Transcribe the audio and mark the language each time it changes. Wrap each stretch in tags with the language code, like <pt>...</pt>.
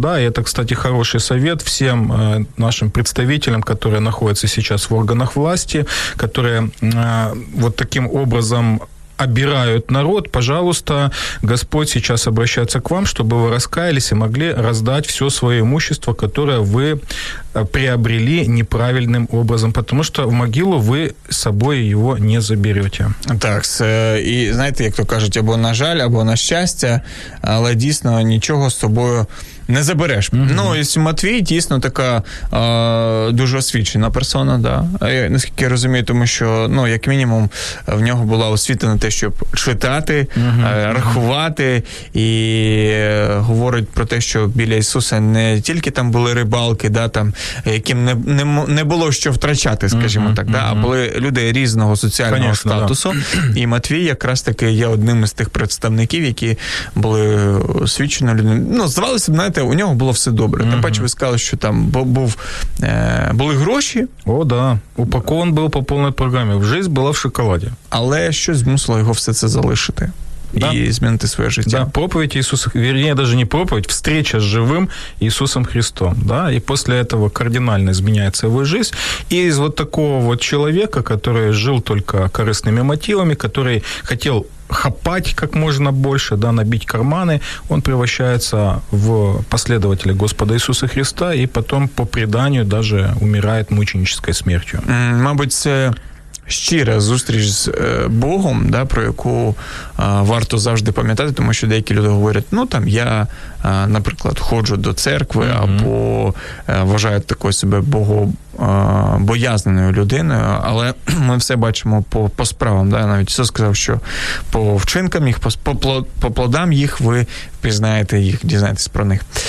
<ru>Да, и это, кстати, хороший совет всем нашим представителям, которые находятся сейчас в органах власти, которые вот таким образом обирают народ. Пожалуйста, Господь сейчас обращается к вам, чтобы вы раскаялись и могли раздать все свое имущество, которое вы приобрели неправильным образом, потому что в могилу вы с собой его не заберете.</ru> <uk>Так, і знаєте, як то кажуть, або на жаль, або на щастя, але дійсно нічого з собою не забереш. Mm-hmm. Ну, і Матвій дійсно така дуже освічена персона, да. Наскільки я розумію, тому що, ну, як мінімум, в нього була освіта на те, щоб читати, mm-hmm. рахувати, і говорить про те, що біля Ісуса не тільки там були рибалки, да, там, яким не було що втрачати, скажімо mm-hmm. так, да, а були люди різного соціального, конечно, статусу. Да. І Матвій якраз таки є одним із тих представників, які були освічені людьми. Ну, здавалося б, на у нього було все добре. Uh-huh. Тим паче ви сказали, що там були гроші. О, да. Упакован був по повній програмі. Життя була в шоколаді. Але щось змусило його все це залишити. Да. І змінити своє життя. Да. Проповідь Ісуса, вірніше, даже не проповідь, встреча з живим Ісусом Христом. Да? І після цього кардинально зміняється його життя. І з вот такого вот чоловіка, який жив тільки корисними мотивами, який хотів хапать</uk> <ru>как можно больше, да, набить карманы, он превращается в последователя Господа Иисуса Христа и потом по преданию даже умирает мученической смертью.</ru> <uk>Мабуть, це щира зустріч з Богом, да, про яку варто завжди пам'ятати, тому що деякі люди говорять, ну, там, я, наприклад, ходжу до церкви, mm-hmm. або вважаю такою себе богобоязненою людиною, але ми все бачимо по справам, да, навіть Ісус сказав, що по вчинкам їх, по плодам їх ви впізнаєте їх, дізнаєтесь про них.</uk>